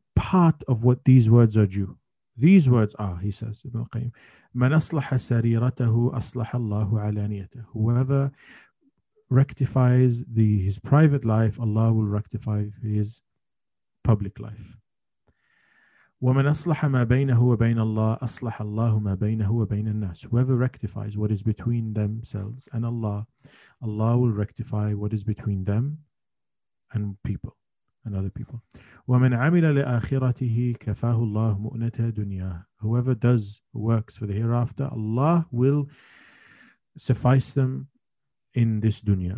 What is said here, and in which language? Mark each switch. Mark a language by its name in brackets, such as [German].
[English] part of what these words are due. These words are, he says, Ibn al-Qayyim, [Arabic] من أصلح سريرته أصلح الله علانيته. [English] Whoever rectifies his private life, Allah will rectify his public life. [Arabic] ومن أصلح ما بينه وبين الله أصلح الله ما بينه وبين الناس. [English] Whoever rectifies what is between themselves and Allah, Allah will rectify what is between them and people and other people. [Arabic] ومن عمل لآخرته كفاه الله مؤنة دنياه. [English] Whoever does works for the hereafter, Allah will suffice them in this dunya.